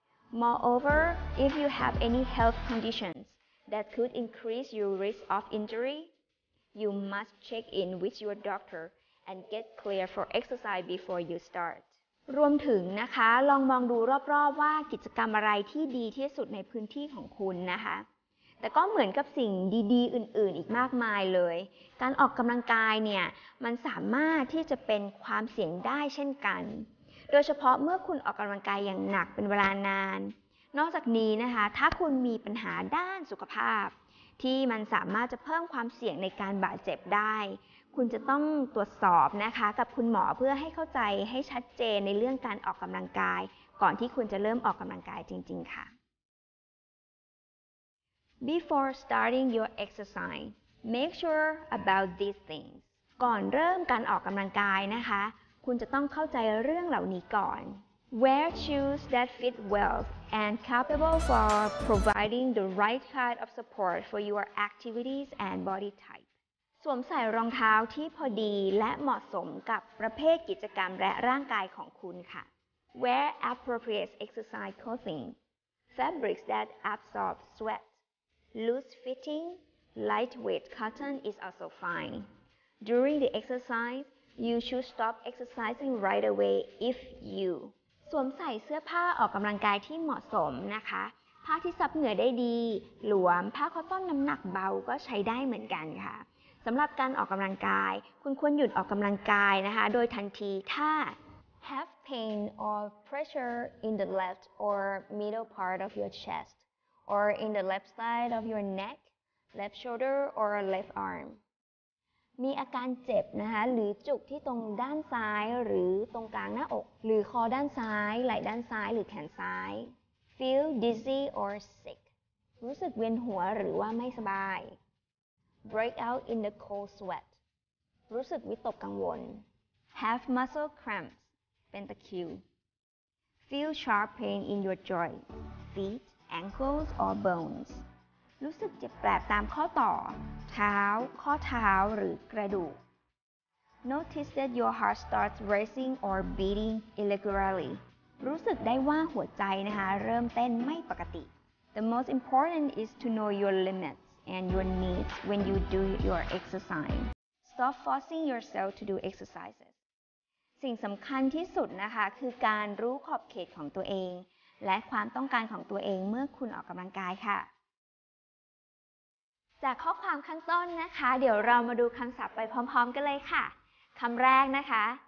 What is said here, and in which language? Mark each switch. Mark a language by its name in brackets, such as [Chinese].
[English] Moreover, if you have any health conditions that could increase your risk of injury, you must check in with your doctor and get clear for exercise before you start. [Thai] รวมถึงนะคะลองมองดูรอบๆว่ากิจกรรมอะไรที่ดีที่สุดในพื้นที่ของคุณนะคะแต่ก็เหมือนกับสิ่งดีๆอื่นๆอีกมากมายเลยการออกกำลังกายเนี่ยมันสามารถที่จะเป็นความเสี่ยงได้เช่นกัน โดยเฉพาะเมื่อคุณออกกำลังกายอย่างหนักเป็นเวลานานนอกจากนี้นะคะถ้าคุณมีปัญหาด้านสุขภาพที่มันสามารถจะเพิ่มความเสี่ยงในการบาดเจ็บได้คุณจะต้องตรวจสอบนะคะกับคุณหมอเพื่อให้เข้าใจให้ชัดเจนในเรื่องการออกกำลังกายก่อนที่คุณจะเริ่มออกกำลังกายจริงๆค่ะ [English] Before starting your exercise, make sure about these things. [Thai] ก่อนเริ่มการออกกำลังกายนะคะคุณจะต้องเข้าใจเรื่องเหล่านี้ก่อน [English] Wear shoes that fit well and capable for providing the right kind of support for your activities and body type. [Thai] สวมใส่รองเท้าที่พอดีและเหมาะสมกับประเภทกิจกรรมและร่างกายของคุณค่ะ [English] Wear appropriate exercise clothing, fabrics that absorb sweat, loose fitting, lightweight cotton is also fine. During the exercise, you should stop exercising right away if you. [Thai] สวมใส่เสื้อผ้าออกกำลังกายที่เหมาะสมนะคะผ้าที่ซับเหงื่อได้ดีหลวมผ้าคอตตอนน้ำหนักเบาก็ใช้ได้เหมือนกันค่ะสำหรับการออกกำลังกายคุณควรหยุดออกกำลังกายนะคะโดยทันทีถ้า [English] have pain or pressure in the left or middle part of your chest or in the left side of your neck, left shoulder or left arm [Thai] มีอาการเจ็บนะคะหรือจุกที่ตรงด้านซ้ายหรือตรงกลางหน้าอกหรือคอด้านซ้ายไหล่ด้านซ้ายหรือแขนซ้าย [English] feel dizzy or sick [Thai] รู้สึกเวียนหัวหรือว่าไม่สบาย [English] break out in the cold sweat [Thai] รู้สึกวิตกกังวล [English] have muscle cramps [Thai] เป็นตะคริว [English] feel sharp pain in your joints feet ankles or bones [Thai] รู้สึกเจ็บแปลบตามข้อต่อเท้าข้อเท้าหรือกระดูก [English] notice that your heart starts racing or beating irregularly [Thai] รู้สึกได้ว่าหัวใจนะคะเริ่มเต้นไม่ปกติ [English] the most important is to know your limitsand your needs when you do your exercise. Stop forcing yourself to do exercises. [Thai] สิ่งสำคัญที่สุดนะคะคือการรู้ขอบเขตของตัวเองและความต้องการของตัวเองเมื่อคุณออกกำลังกายค่ะจากข้อความข้างต้นนะคะเดี๋ยวเรามาดูคำศัพท์ไปพร้อมๆกันเลยค่ะคำแรกนะคะ